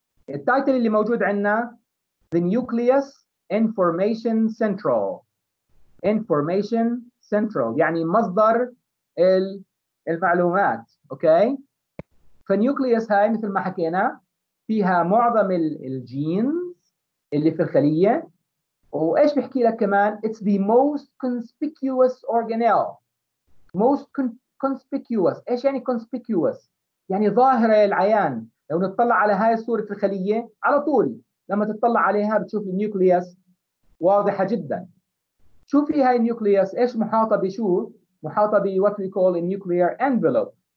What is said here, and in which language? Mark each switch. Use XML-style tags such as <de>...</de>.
<ar>التايتل اللي موجود عندنا</ar> <en>The Nucleus Information Central. Information Central</en> <ar>يعني مصدر المعلومات. أوكي؟ فالنيوكليوس هاي مثل ما حكينا فيها معظم الجينز اللي في الخلية. وإيش بحكي لك كمان؟</ar> <en>It's the most conspicuous organelle. Most conspicuous.</en> <ar>إيش يعني conspicuous؟ يعني ظاهرة العيان. لو نتطلع على هاي صورة الخلية على طول لما تتطلع عليها بتشوف النيوكليوس واضحة جدا. شو في هاي النيوكليوس؟ إيش محاطة بشو؟ محاطة بـ</ar> <en>what we call a nuclear envelope.</en>